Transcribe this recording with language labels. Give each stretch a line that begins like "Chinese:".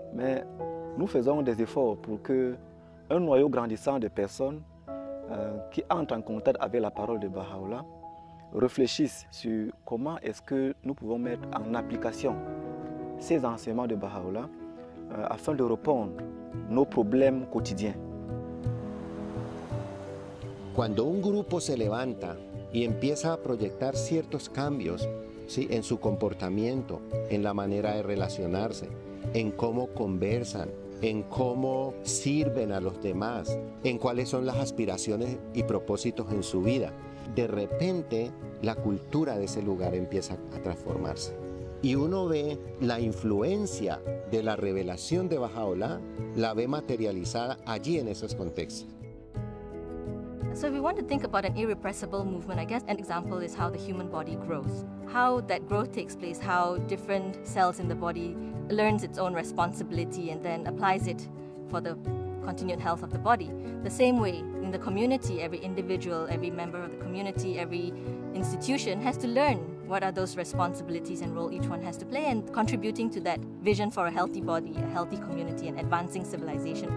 French: Mais nous faisons des efforts pour qu'un noyau grandissant de personnes qui entrent en contact avec la parole de Bahá'u'lláh réfléchissent sur comment est-ce que nous pouvons mettre en application ces enseignements de Bahá'u'lláh afin de répondre à nos problèmes quotidiens.
Spanish: Cuando un grupo se levanta y empieza a proyectar ciertos cambios, ¿sí?, en su comportamiento, en la manera de relacionarse, en cómo conversan, en cómo sirven a los demás, en cuáles son las aspiraciones y propósitos en su vida, de repente la cultura de ese lugar empieza a transformarse. Y uno ve la influencia de la revelación de Bahá'u'lláh, la ve materializada allí en esos contextos.
English: So if we want to think about an irrepressible movement, I guess an example is how the human body grows. How that growth takes place, how different cells in the body learns its own responsibility and then applies it for the continued health of the body. The same way in the community, every individual, every member of the community, every institution has to learn what are those responsibilities and role each one has to play and contributing to that vision for a healthy body, a healthy community and advancing civilization.